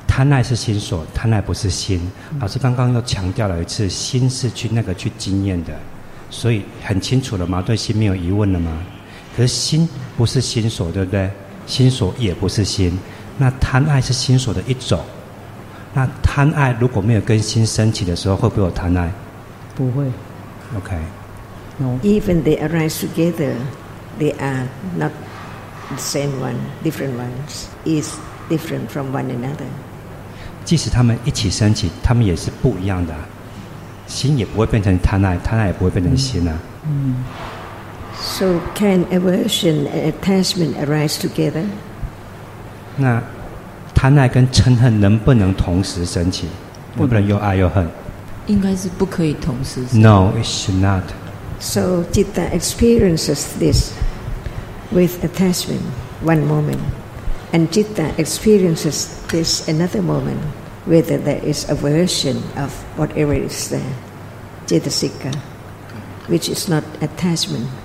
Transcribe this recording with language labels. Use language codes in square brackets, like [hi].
[zh] 贪爱是心所，贪爱不是心。老师刚刚又强调了一次，心是去那个去经验的，所以很清楚了吗？对心没有疑问了吗？可是心不是心所，对不对？心所也不是心。那贪爱是心所的一种。那贪爱如果没有跟心升起的时候，会不会有贪爱？不会。 [en] OK. No. Even they arise together, they are not the same one. Different ones is different from one another. [zh] 即使他们一起升起，他们也是不一样的、啊。心也不会变成贪爱，贪爱也不会变成心啊。嗯。 [en] So can aversion and attachment arise together? [zh] 那贪爱跟嗔恨能不能同时升起？能不能又爱又恨？应该是不可以同时。 [en] No, it should not. So citta experiences this with attachment one moment, and citta experiences this another moment, whether there is aversion of whatever is there, cetasika, which is not attachment.